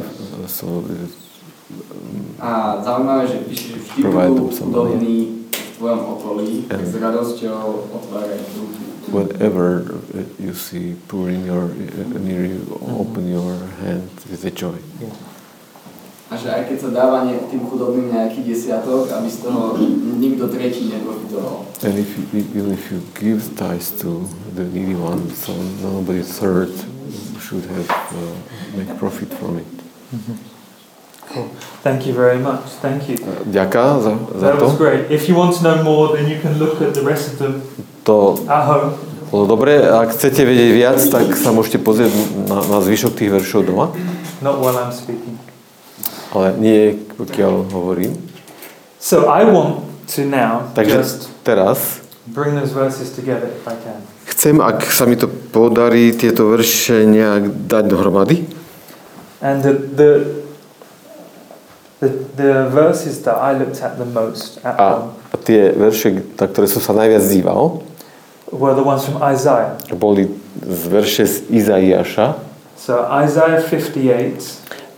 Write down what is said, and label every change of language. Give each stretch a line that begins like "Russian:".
Slovak: No, so, a zaujímavé, že píšeš, že vždy budú dobrý v tvojom okolí, tak s radosťou otvárajú.
English: Whenever you see poor in your, near you, open your hand with a joy. Yeah.
Slovak: A že aj keď sa dáva tým chudobným nejaký desiatok, aby z toho nikto tretí neprofitoval.
English: And if even if you give tithes to the needy one, so nobody third should have make profit from it. Mm-hmm. Cool. Thank you very much. Thank you.
Slovak: Ďaká za
English: to. That was great. If you want to know more, then you can look at the rest of them.
Slovak: To.
English: At home.
Slovak: No dobre, ak chcete vedieť viac, tak sa môžete pozrieť na zvyšok tých veršov doma.
English: Not while I'm speaking.
Slovak: Ale nie, pokiaľ hovorím.
English: So I want to now.
Slovak: Takže
English: just
Slovak: teraz.
English: Bring those verses together if I can.
Slovak: Chcem, ak sa mi to podarí, tieto verše nejak dať dohromady.
English: And the verses that I looked at the most at
Slovak: a tie verše, na ktoré som sa najviac díval,
English: were the ones from Isaiah.
Slovak: Boli z verše z Izaiáša.
English: So Isaiah 58.